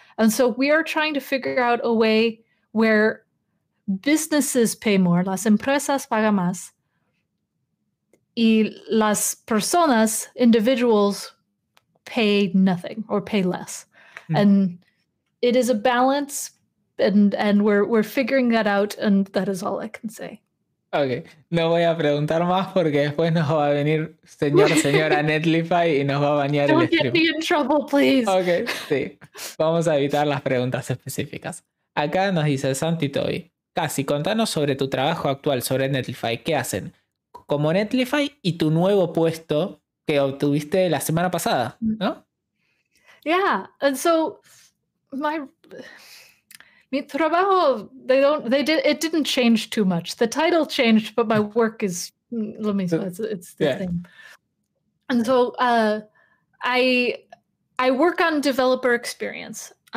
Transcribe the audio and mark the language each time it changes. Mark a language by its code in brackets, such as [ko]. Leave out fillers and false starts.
[en] And so we are trying to figure out a way where businesses pay more, [es] las empresas pagan más, y las personas, [en] individuals, pay nothing or pay less. Mm. And it is a balance, and we're figuring that out, and that is all I can say. [es] Okay, no voy a preguntar más porque después nos va a venir señora Netlify y nos va a bañar [en] Don't Don't get me in trouble, please. [es] Okay, sí. Vamos a evitar las preguntas específicas. Acá nos dice Santi Toby. Casi, contanos sobre tu trabajo actual sobre Netlify. ¿Qué hacen como Netlify y tu nuevo puesto que obtuviste la semana pasada, ¿no? [en] Yeah, and so [es] mi trabajo, [en] it didn't change too much. The title changed, but my work is, let me say, it's the same. And so I work on developer experience.